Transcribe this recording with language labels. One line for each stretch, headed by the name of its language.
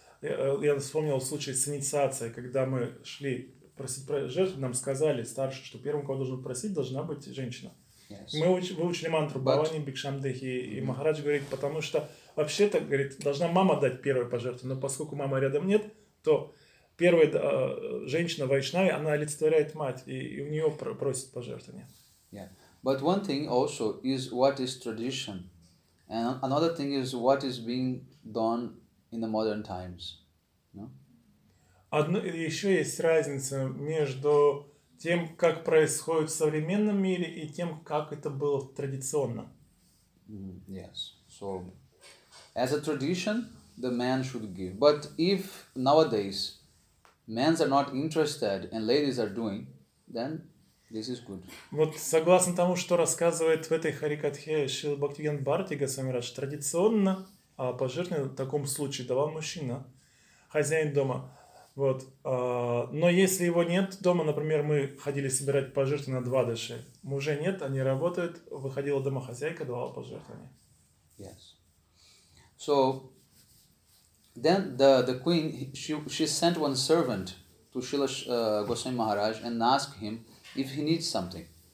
Russian: Я вспомнил случай с инициацией, когда мы шли просить пожертвование, нам сказали старше, что первым, кого должен просить, должна быть женщина.
English: Yes.
Russian: Мы выучили мантру Бхавани Бхикшам Дехи, и Махарадж говорит, потому что вообще-то, говорит, должна мама дать первое пожертвование, но поскольку мамы рядом нет, то первая женщина вайшнави, она олицетворяет мать, и у нее просит пожертвование.
English: Yeah. But one thing also is what is tradition, and another thing is what is being done in the modern times. No?
Russian: Еще есть разница между тем, как происходит в современном мире, и тем, как это было традиционно.
English: Yes. So, as a tradition, the man should give. But if nowadays men are not interested and ladies are doing, then this is good.
Russian: Вот согласно тому, что рассказывает в этой харикатхе Шрила Бхактивиданта Бхарати Госвами Махарадж, традиционно пожертвование в таком случае давал мужчина, хозяин дома. Вот. Но если его нет дома, например, мы ходили собирать пожертвования на двадаши, мужей нет, они работают, выходила домохозяйка, давала пожертвования.
English: Yes. So, then the queen, she sent one servant to Srila Goswami Maharaj and asked him if he needs something.